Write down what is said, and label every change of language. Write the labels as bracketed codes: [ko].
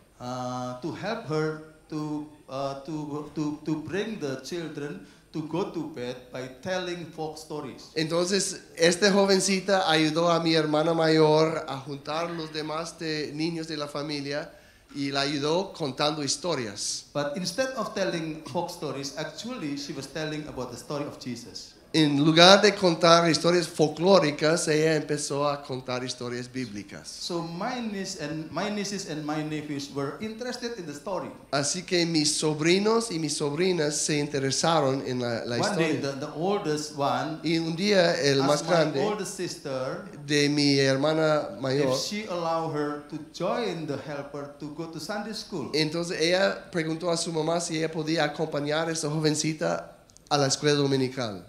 [en] To help her to bring the children to go to bed by telling folk stories. [es] Entonces, esta jovencita ayudó a mi hermana mayor a juntar los demás niños de la familia y la ayudó contando historias. [en] But instead of telling folk stories, actually she was telling about the story of Jesus. [es] En lugar de contar historias folclóricas, ella empezó a contar historias bíblicas. [en] So my nieces and my nephews were interested in the story. [es] Así que mis sobrinos y mis sobrinas se interesaron en la [en] one [es] historia. [en] One day, the oldest one, [es] y un día el más grande, [en] my oldest sister, [es] de mi hermana mayor, [en] if she allowed her to join the helper to go to Sunday school. [es] Entonces ella preguntó a su mamá si ella podía acompañar a esa jovencita a la escuela dominical.